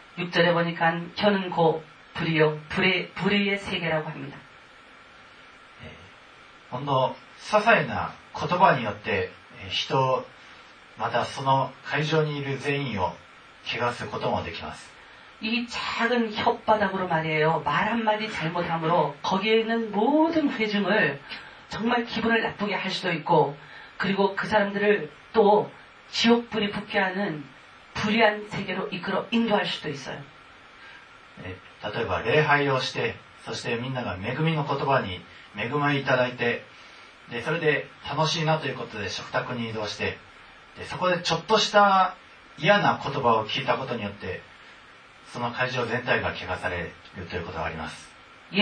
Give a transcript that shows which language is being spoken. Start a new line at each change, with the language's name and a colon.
Korean: 6절에보니까혀는고불이요불의불의의세계라고합니다
Japanese: ほんの些細な言葉によって人をまたその会場にいる全員を怪我することもできます
Korean: 이 작은 혓바닥으로 말이에요. 말 한마디 잘못함으로 거기에 있는 모든 회중을 정말 기분을 나쁘게 할 수도 있고 그리고 그 사람들을 또 지옥불이 붙게 하는 불의한 세계로 이끌어 인도할 수도 있어요. 예, 예를 들어 예배를 하고
Japanese: そしてみんなが恵みの言葉に恵まれいただいて、それで楽しいなということで食卓に移動して、そこでちょっとした嫌な言葉を聞いたことによって、 その会場全体が汚されるということがあります。